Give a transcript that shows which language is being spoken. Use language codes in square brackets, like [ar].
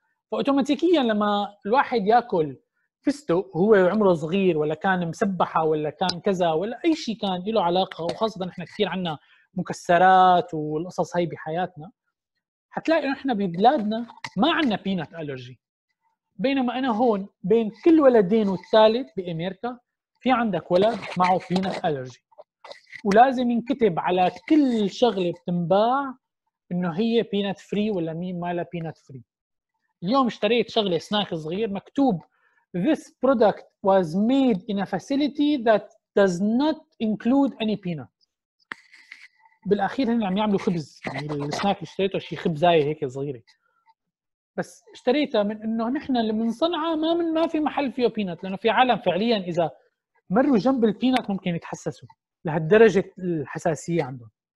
[ar] فأوتوماتيكيا لما الواحد يأكل فستو هو عمره صغير ولا كان مسبحة ولا كان كذا ولا أي شيء كان له علاقة، وخاصة إحنا كثير عنا مكسرات والقصص هاي بحياتنا، هتلاقي إن إحنا ببلادنا ما عنا بينات ألرجي. بينما أنا هون بين كل ولدين والثالث بأميركا في عندك ولد معه بينات ألرجي، ولازم ينكتب على كل شغلة بتنباع إنه هي بينات فري ولا مين ما لا بينات فري. اليوم اشتريت شغلة سناك صغير مكتوب [en] This product was made in a facility that does not include any peanut. [ar] بالأخير هن عم يعملوا خبز، يعني السناك اللي اشتريته شي خبز زي هيك صغيرة، بس اشتريتها من انه نحن اللي من صنعة ما في محل فيه peanut، لانه في عالم فعليا اذا مروا جنب البينات ممكن يتحسسوا لهالدرجة الحساسية عندهم.